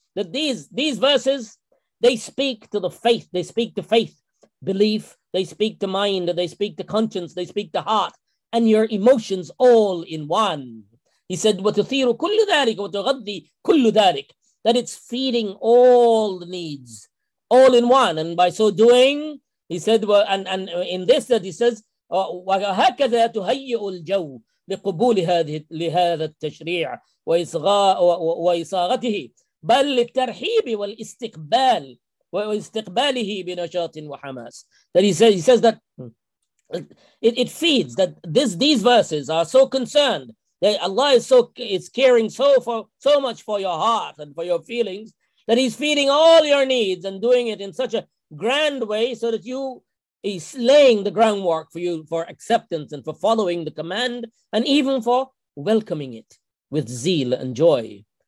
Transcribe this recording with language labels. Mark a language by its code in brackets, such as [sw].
[en] That these verses, they speak to the faith, they speak to faith, belief, they speak to mind, they speak to conscience, they speak to heart, and your emotions all in one. He said, [ar] وتثير كل ذلك وتغذي كل ذلك, [en] that it's feeding all the needs, all in one. And by so doing, he said, and in this that he says, [ar] وهكذا تهيئ الجو لقبول لهذا التشريع وإصاغته بل للترحيب والاستقبال واستقباله بنشاط وحماس. [en] That he says that it feeds, that these verses are so concerned, that Allah is caring so much for your heart and for your feelings, that he's feeding all your needs and doing it in such a grand way, so that you, he's laying the groundwork for you for acceptance and for following the command, and even for welcoming it with zeal and joy.